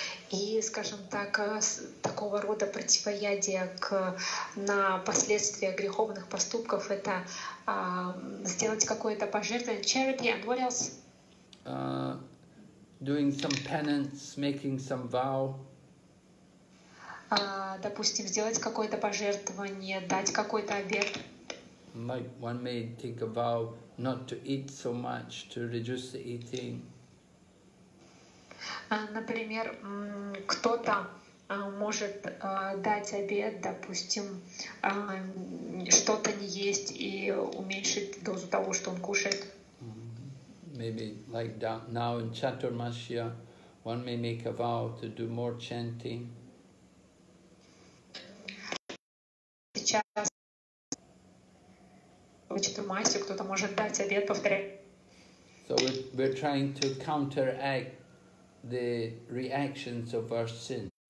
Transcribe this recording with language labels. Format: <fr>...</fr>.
<ru>И, скажем так, такого рода противоядие к на последствия греховных поступков – это сделать какое-то пожертвование.</ru> <en>Charity and what else? Doing some penance, making some vow.</en> <ru>Допустим, сделать какое-то пожертвование, дать какой-то обет.</ru> <en>One may take a vow not to eat so much, to reduce the eating.</en> <ru>Например, кто-то может дать обед, допустим, что-то не есть и уменьшить дозу того, что он кушает.</ru> <en>Maybe like that. Now in Chaturmasya, one may make a vow to do more chanting.</en> <ru>Сейчас в Чатурмасе кто-то может дать обед, повторяю.</ru> <en>So we're trying to counteract the reactions of our sin.</en>